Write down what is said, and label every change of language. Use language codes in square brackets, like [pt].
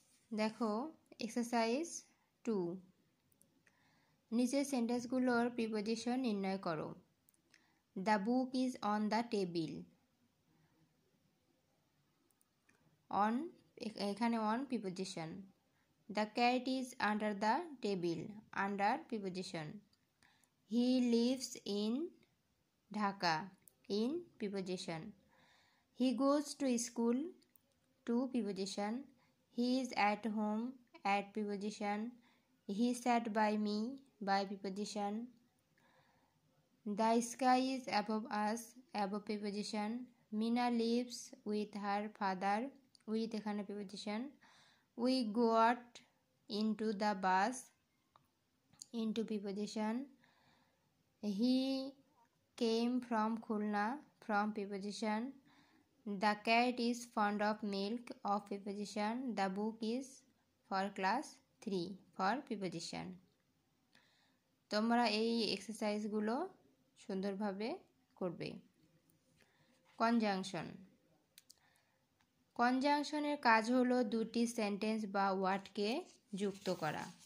[bn] দেখো exercise two, নিচের সেন্টেন্সগুলোর preposition নির্ণয় করো। [en] The book is on the table, on এখানে on preposition. The cat is under the table, under preposition. He lives in Dhaka, in preposition. He goes to school, to preposition. He is at home, at preposition. He sat by me, by preposition. The sky is above us, above preposition. Meena lives with her father, with [bn] ekhane [en] preposition. We go out into the bus, into preposition. He came from Khulna, from preposition. The cat is fond of milk, of preposition. The book is for class 3, for preposition. [bn] তোমরা এই এক্সারসাইজগুলো সুন্দরভাবে করবে। Conjunction, কনজাংশনের কাজ হলো দুটি sentence বা ওয়ার্ডকে যুক্ত করা।